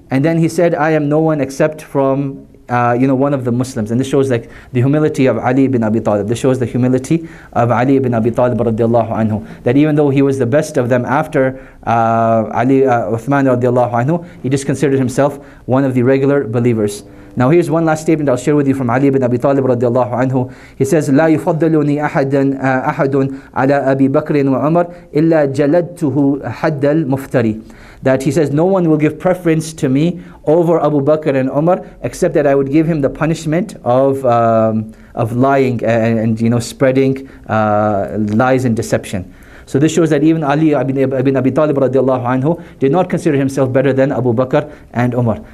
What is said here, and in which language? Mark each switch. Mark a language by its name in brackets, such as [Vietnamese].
[English] And then he said, I am no one except from, you know, one of the Muslims. And this shows like the humility of Ali ibn Abi Talib. This shows the humility of Ali ibn Abi Talib [Arabic] radiallahu anhu. [English] That even though he was the best of them after Uthman [Arabic] radiallahu anhu, [English] he just considered himself one of the regular believers. Now here's one last statement I'll share with you from Ali ibn Abi Talib [Arabic] radiallahu anhu. [English] He says, [Arabic] لا يفضلني أحد على أبي بكر وعمر إلا جلدته حد المفتري. [English] That he says, no one will give preference to me over Abu Bakr and Umar, except that I would give him the punishment of lying and you know, spreading lies and deception. So this shows that even Ali ibn Abi Talib [Arabic] radiallahu anhu [English] did not consider himself better than Abu Bakr and Umar.